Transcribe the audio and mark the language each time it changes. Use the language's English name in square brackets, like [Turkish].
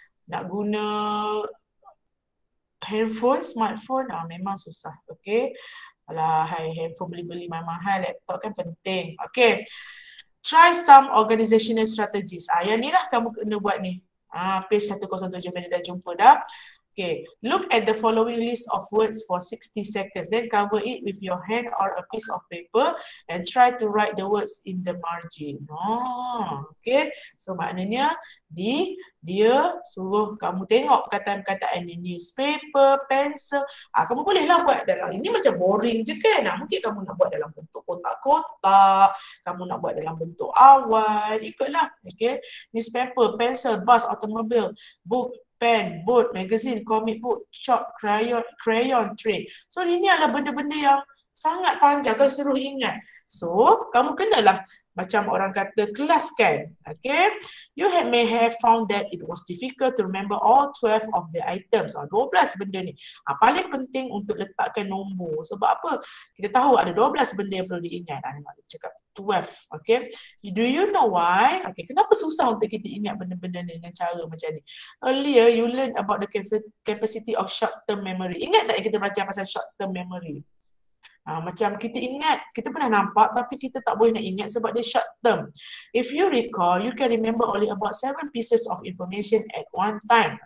[Malay] Nak guna handphone, smartphone, memang susah. Okay. Alahai, handphone beli-beli mahal-mahal, laptop kan penting. Okay. [English] Try some organizational strategies. [Malay] Yang ni lah kamu kena buat ni. Page 107, mana dah jumpa dah. Okay. [English] Look at the following list of words for 60 seconds. Then cover it with your hand or a piece of paper and try to write the words in the margin. [Malay] Okay. So maknanya dia suruh kamu tengok perkataan-perkataan di newspaper, pencil. Kamu bolehlah buat dalam, ini macam boring je kan. Mungkin kamu nak buat dalam bentuk kotak-kotak, kamu nak buat dalam bentuk awan, ikutlah. [English] Okay. Newspaper, pencil, bus, automobile, book, pen, boat, magazine, comic book, chalk, crayon, tray. [Malay] So ini adalah benda-benda yang sangat panjang kan, suruh ingat. So, kamu kenalah macam orang kata kelas kan. Okay. [English] You have, may have found that it was difficult to remember all 12 of the items. [Malay] 12 benda ni. Paling penting untuk letakkan nombor. Sebab apa? Kita tahu ada 12 benda yang perlu diingat. Ada nak cakap 12. [English] Okay. Do you know why? Okay. [Malay] Kenapa susah untuk kita ingat benda-benda ni dengan cara macam ni? [English] Earlier, you learn about the capacity of short-term memory. [Malay] Ingat tak yang kita belajar pasal short-term memory? Macam kita ingat, kita pernah nampak tapi kita tak boleh nak ingat sebab dia short term. [English] If you recall, you can remember only about 7 pieces of information at one time.